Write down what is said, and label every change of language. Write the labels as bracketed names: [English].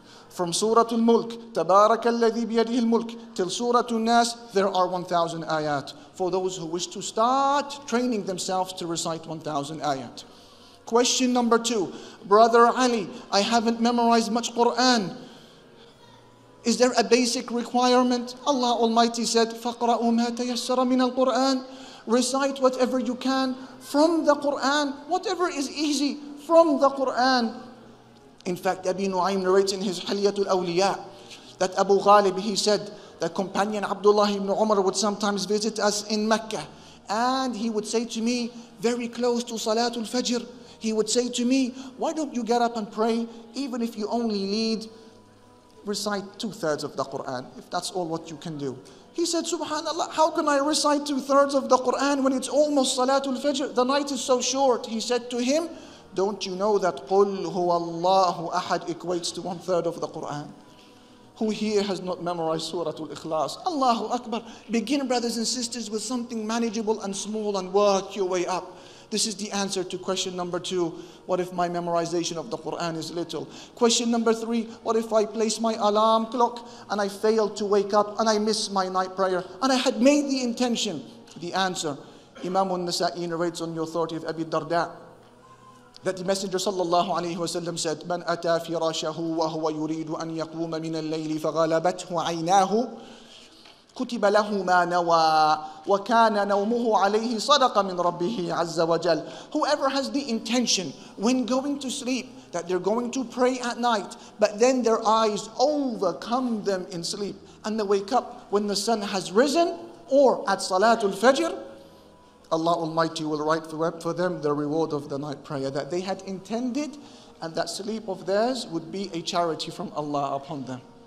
[English] From Surah Al-Mulk, Tabarak Alladhi Biyadihi Al-Mulk, till Surah Al-Nas, there are 1,000 ayat. For those who wish to start training themselves to recite 1,000 ayat. Question number two, Brother Ali, I haven't memorized much Quran. Is there a basic requirement? Allah Almighty said, [Arabic] فَقْرَأُوا مَا تَيَسَّرَ مِنَ الْقُرْآنِ. [English] Recite whatever you can from the Qur'an. Whatever is easy from the Qur'an. In fact, Abi Nu'aym narrates in his Haliyatul Awliya that Abu Ghalib, he said, the companion Abdullah ibn Umar would sometimes visit us in Mecca. And he would say to me, very close to Salatul Fajr, he would say to me, why don't you get up and pray, even if you only lead recite two-thirds of the Qur'an, if that's all what you can do. He said, subhanAllah, how can I recite two-thirds of the Qur'an when it's almost Salatul Fajr? The night is so short. He said to him, don't you know that [Arabic] قُلْ هُوَ اللَّهُ أَحَدْ [English] equates to one-third of the Qur'an? Who here has not memorized Surah Al-Ikhlas? Allahu Akbar. Begin, brothers and sisters, with something manageable and small and work your way up. This is the answer to question number two. What if my memorization of the Quran is little? Question number three, what if I place my alarm clock and I fail to wake up and I miss my night prayer and I had made the intention? The answer, Imam al-Nasa'i narrates on the authority of Abi Darda, that the Messenger sallallahu alayhi wasallam said, [Arabic] من أتى فراشه وهو يريد أن يقوم من الليل فغلبته عيناه كتب له ما نوى وكان نومه عليه صدقة من ربه عز وجل. [English] Whoever has the intention when going to sleep that they're going to pray at night, but then their eyes overcome them in sleep and they wake up when the sun has risen or at Salatul Fajr, Allah Almighty will write for them the reward of the night prayer that they had intended, and that sleep of theirs would be a charity from Allah upon them.